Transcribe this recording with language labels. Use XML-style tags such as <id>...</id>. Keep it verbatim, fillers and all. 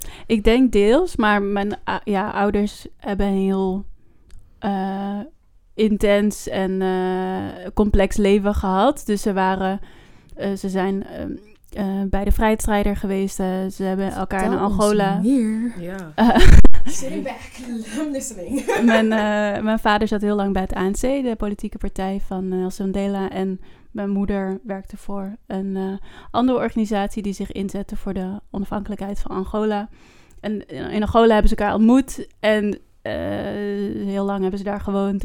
<nl>Ik denk deels, maar mijn ja, ouders hebben heel... Uh, intens en uh, complex leven gehad. Dus ze waren... Uh, ze zijn... Uh, Uh, bij de vrijheidsstrijder geweest. Uh, ze hebben elkaar Vertel in Angola. Ja. Uh,</nl> <en>Sitting back, I'm listening.</en> <nl>mijn, uh, mijn vader zat heel lang bij het A N C, de politieke partij van Nelson Mandela. En mijn moeder werkte voor een uh, andere organisatie die zich inzette voor de onafhankelijkheid van Angola. En in Angola hebben ze elkaar ontmoet. En uh, heel lang hebben ze daar gewoond.</nl>